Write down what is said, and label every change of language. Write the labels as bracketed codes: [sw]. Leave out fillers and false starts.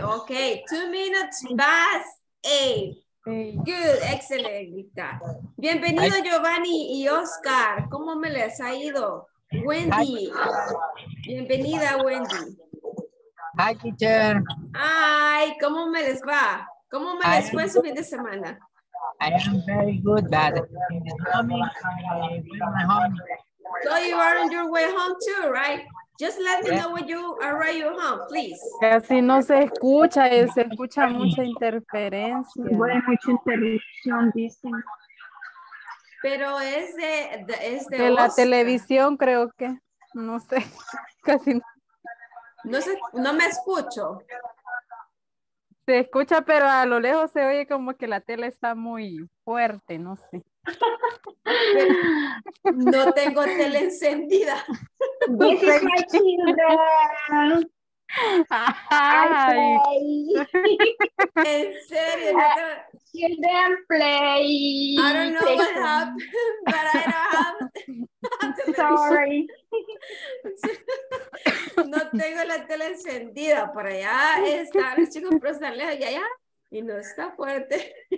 [en] Okay, 2:08. Good, excellent. [es] Bienvenido Giovanni y Oscar. ¿Cómo me les ha ido? Wendy. Bienvenida, Wendy. [en] Hi, teacher. [es] Hi, ¿cómo me les va? ¿Cómo me les fue su fin de semana? [en] I am very good, but in the morning, I am home. So you are on your way home too, right? Just let me know when you arrive your home, please. [es] Así no se escucha, se escucha mucha interferencia. Bueno, mucha interrupción, dicen. Pero es de Oscar. La televisión, creo que, no sé, casi no. No sé, no me escucho. Se escucha, pero a lo lejos se oye como que la tele está muy fuerte, no sé. No tengo tele encendida. [en] This is my children. Ay. [es] En serio, no [en] tengo... Children play. I don't know what happened, but I don't have... Sorry. [es] No tengo la tele encendida, por allá está los chicos, pero están lejos y allá y no está fuerte.